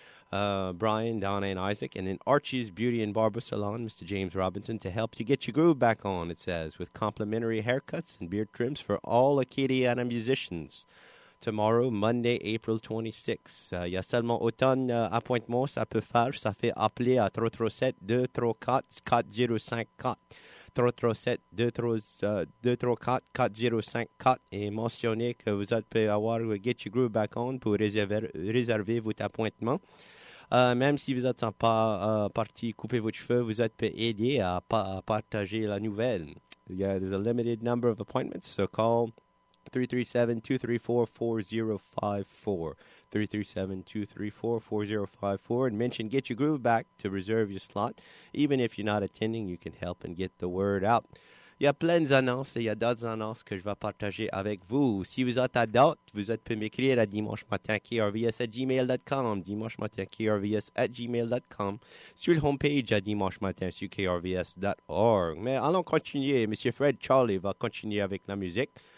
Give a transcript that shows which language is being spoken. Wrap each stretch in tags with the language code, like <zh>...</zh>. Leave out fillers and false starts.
<en>Brian, Donna, and Isaac, and then Archie's Beauty and Barber Salon, Mr. James Robinson, to help you get your groove back on, it says, with complimentary haircuts and beard trims for all Acadiana musicians. Tomorrow, Monday, April 26.</en> <fr>Il y a seulement autant d'appointements ça peut faire. Ça fait appeler à 337-234-4054. 337-234-4054 et mentionnez que vous pouvez avoir Get Your Groove Back On pour réserver votre appointement. Même si vous n'êtes pas parti couper vos cheveux, vous pouvez aider à partager la nouvelle.</fr> <en>There's a limited number of appointments, so call 337-234-4054. 337-234-4054 and mention Get Your Groove Back to reserve your slot. Even if you're not attending, you can help and get the word out.</en> <fr>Il y a plein d'annonces et il y a d'autres annonces que je vais partager avec vous. Si vous êtes à d'autres, vous pouvez m'écrire à dimanchematinkrvs@gmail.com, dimanchematinkrvs@gmail.com, sur le homepage à dimanchematin sur krvs.org. Mais allons continuer. Monsieur Fred Charlie va continuer avec la musique.</fr>